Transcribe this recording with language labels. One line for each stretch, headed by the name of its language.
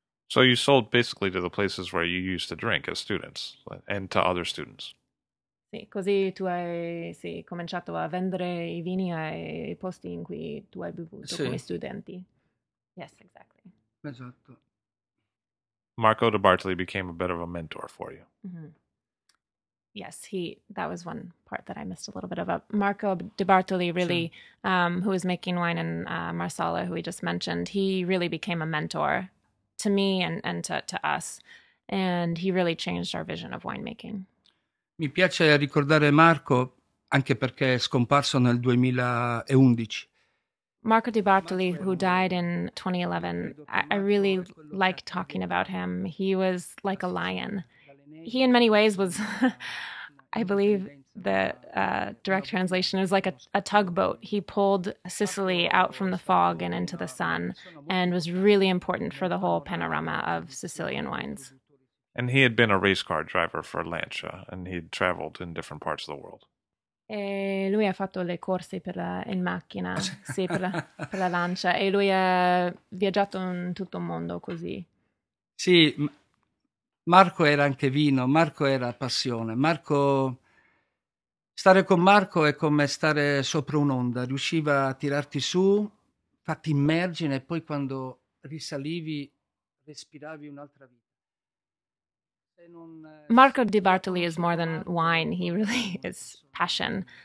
English: So you sold basically to the places where you used to drink as students and to other students.
Italian: Sì, così tu hai sì, cominciato a vendere i vini ai posti in cui tu hai bevuto sì. Come studenti.
English: Yes, exactly.
Italian: Esatto.
English: Marco di Bartoli became a bit of a mentor for you. Mm-hmm. Yes, that was one part that I missed a little bit about. Marco di Bartoli really, sure. Who was making wine in Marsala, who we just mentioned, he really became a mentor to me and to us. And he really changed our vision of winemaking.
Italian: Mi piace ricordare Marco anche perché è scomparso nel 2011.
English: Marco di Bartoli, who died in 2011, I really like talking about him. He was like a lion. He, in many ways, was, I believe the direct translation is like a tugboat. He pulled Sicily out from the fog and into the sun and was really important for the whole panorama of Sicilian wines. And he had been a race car driver for Lancia, and he'd traveled in different parts of the world.
Italian: E lui ha fatto le corse in macchina, sì, per la Lancia, e lui ha viaggiato in tutto il mondo così. Sì, Marco era anche vino, Marco era passione. Marco, stare con Marco è come stare sopra un'onda, riusciva a tirarti su, farti immergere, e poi quando risalivi, respiravi un'altra vita.
English: Marco di Bartoli is more than wine. He really is passion.